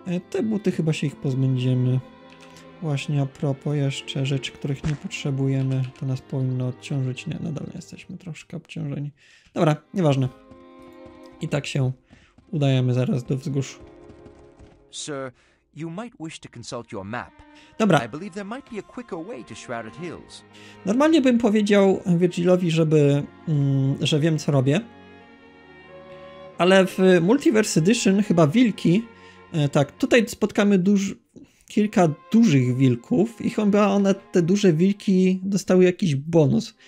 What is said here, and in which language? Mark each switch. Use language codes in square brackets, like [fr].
[pl] Te buty chyba się ich pozbędziemy. Właśnie a propos jeszcze rzeczy, których nie potrzebujemy, to nas powinno odciążyć. Nie, nadal jesteśmy troszkę obciążeni. Dobra, nieważne. I tak się udajemy zaraz do wzgórz. [en] Sir, you might wish to consult your map. [pl] Dobra. [en] I believe there might be a quicker way to Shrouded Hills. [pl] Normalnie bym powiedział Virgilowi, żeby, że wiem co robię. Ale w Multiverse Edition chyba wilki... tak, tutaj spotkamy kilka dużych wilków i chyba one, te duże wilki, dostały jakiś bonus.